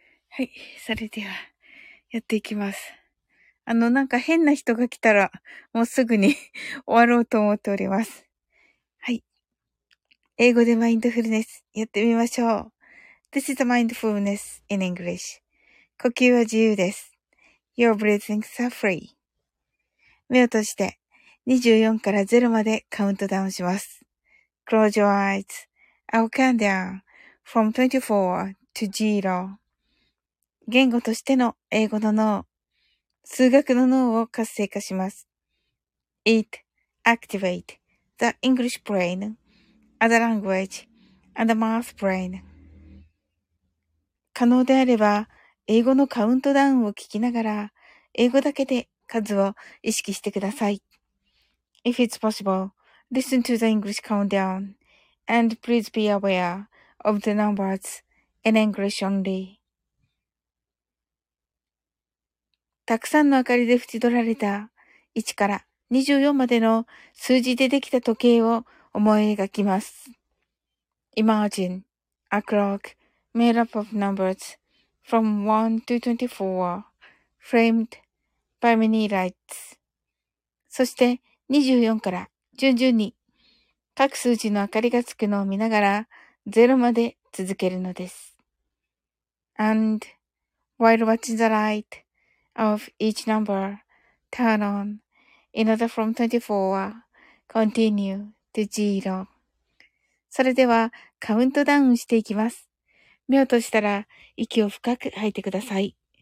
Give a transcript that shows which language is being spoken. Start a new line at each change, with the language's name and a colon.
Japanese: はい、それでは、やっていきます。なんか変な人が来たら、もうすぐに終わろうと思っております。はい。英語でマインドフルネス、やってみましょう。
English: This is mindfulness in English.
Japanese: 呼吸は自由です。
English: You're breathing so free.
Japanese: 目を閉じて、24から0までカウントダウンします。
English: Close your eyes.I'll count down from 24 to 0.
Japanese: 言語としての英語の脳、数学の脳を活性化します。
English: It activates the English brain, and the language, and the math brain.
Japanese: 可能であれば、英語のカウントダウンを聞きながら、英語だけで数を意識してください。
English: If it's possible, listen to the English countdown, and please be aware of the numbers in English only.
Japanese: たくさんの明かりで縁取られた1から24までの数字でできた時計を思い描きます。
English: Imagine a clock. Made up of numbers from 1 to 24, framed by many lights.
Japanese: そして24から順々に各数字の明かりがつくのを見ながら0まで続けるのです。
English: And while watching the light of each number turn on, in order from 24, continue to 0.
Japanese: それではカウントダウンしていきます。目を閉じたら息を深く吐いてください。